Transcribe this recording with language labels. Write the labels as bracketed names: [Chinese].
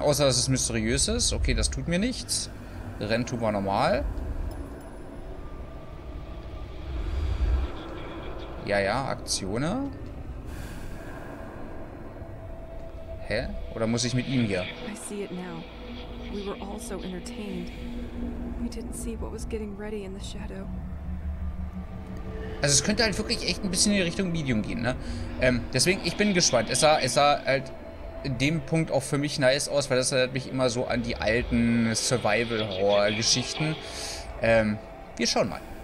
[German] Außer, dass es mysteriös ist. Okay, das tut mir nichts. Rennen tun wir normal. Ja, Aktionen. Hä? Oder muss ich mit ihm hier? [English] I see it now. We were all so entertained. We didn't see what was getting ready in the shadow. [German] Also es könnte halt wirklich echt ein bisschen in die Richtung Medium gehen, ne? Deswegen, ich bin gespannt. Es sah halt in dem Punkt auch für mich nice aus, weil das erinnert mich immer so an die alten Survival-Horror-Geschichten. Wir schauen mal.